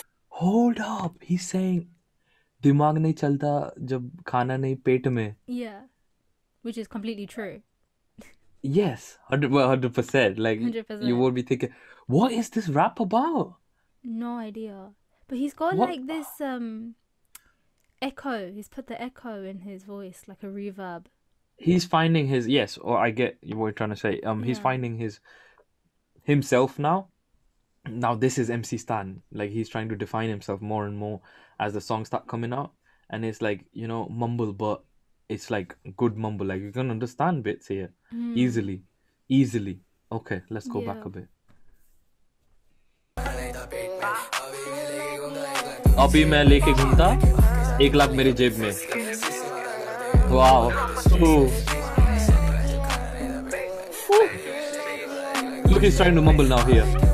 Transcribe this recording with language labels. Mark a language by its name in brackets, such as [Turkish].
[English] Hold up, he's saying, [Hindi] "दिमाग नहीं चलता जब खाना नहीं पेट में." [English] Yeah, which is completely true. Yes, 100%. Like 100%. you won't be thinking, "What is this rap about?" No idea. But he's got like What? this echo. He's put the echo in his voice, like a reverb. He's finding his, yes, or I get what you're trying to say. He's Yeah. finding his himself now. Now this is MC Stan. Like he's trying to define himself more and more as the songs start coming out, and it's like, you know, mumble, but it's like good mumble. Like you can understand bits here easily. Okay, let's go back Yeah. a bit. [Hindi] अभी मैं लेके घूमता 1 लाख मेरी जेब में. [English] Wow. Look, he's trying to mumble now here.